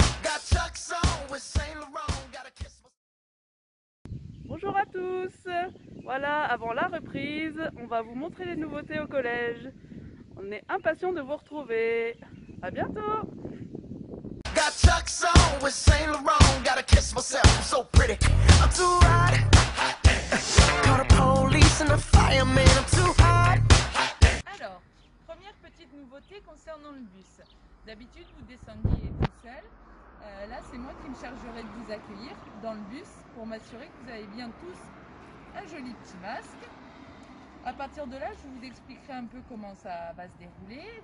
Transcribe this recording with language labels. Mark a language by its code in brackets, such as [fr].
[en] Got Chuck's on with Saint Laurent. Got a kiss. [fr] Bonjour à tous. Voilà, avant la reprise, on va vous montrer les nouveautés au collège. On est impatients de vous retrouver. À bientôt. [en] Got Chuck's on with Saint Laurent. Got a kiss myself. I'm so pretty. I'm too hot. Call the police and the fireman. I'm too hot. [fr] Alors, première petite nouveauté concernant le bus. D'habitude, vous descendiez tout seul. Là, c'est moi qui me chargerai de vous accueillir dans le bus pour m'assurer que vous avez bien tous un joli petit masque. À partir de là, je vous expliquerai un peu comment ça va se dérouler.